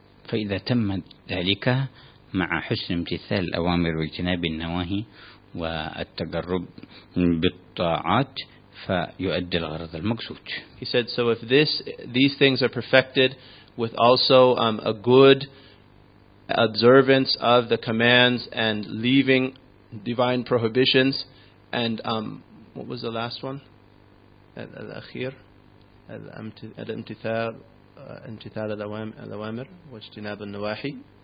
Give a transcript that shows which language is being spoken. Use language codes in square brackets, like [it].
[ar] فإذا تم ذلك مع حسن امتثال الأوامر واجتناب النواهي والتقرب بالطاعات فيؤدي الغرض المقصود. [en] He said, so if these things are perfected with also a good observance of the commands and leaving divine prohibitions and what was the last one? [ar] الأخير الامتثال الأوامر واجتناب النواهي.